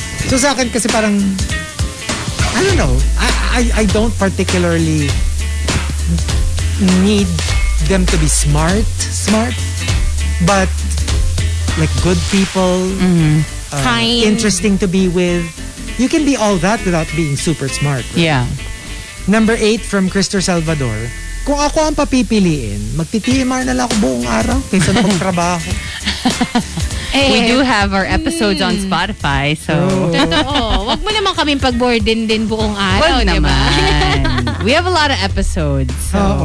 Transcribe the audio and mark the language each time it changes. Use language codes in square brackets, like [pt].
[tl] So sa akin kasi parang, [en] I don't know, I don't particularly need them to be smart, smart, but like good people, kind, interesting to be with. You can be all that without being super smart. Right? Yeah. Number 8 from Christopher Salvador. [tl] Kung ako ang papipiliin, magti-TMR na lang ako buong araw kaysa na magtrabaho. [en] Hey, we do have our episodes on Spotify, so... [tl] Totoo. Huwag mo naman kaming pag-board din buong araw, wag naman. [en] We have a lot of episodes, so...